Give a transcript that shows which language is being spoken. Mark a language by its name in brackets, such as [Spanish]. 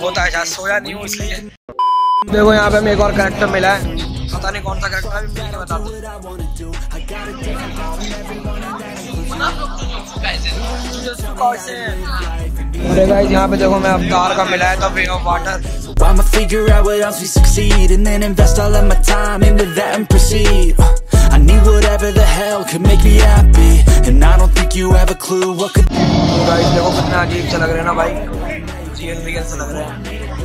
[Hindi] बहुत आज सोया नहीं हूँ इसलिए। देखो यहाँ पे हमें एक और कैरेक्टर मिला है, पता नहीं कौन सा करेक्टर है, मिल के बता दो। अरे गाइस यहां पे देखो मैं अवतार का मिला है, तो way of water. [English] I'ma figure out what else we succeed and then invest all of my time into that and proceed. I need whatever the hell can make me happy and I don't think you have a clue what could. [Hindi] Guys देखो कितना अजीब सा लग रहा है ना भाई, real real सा लग रहा है।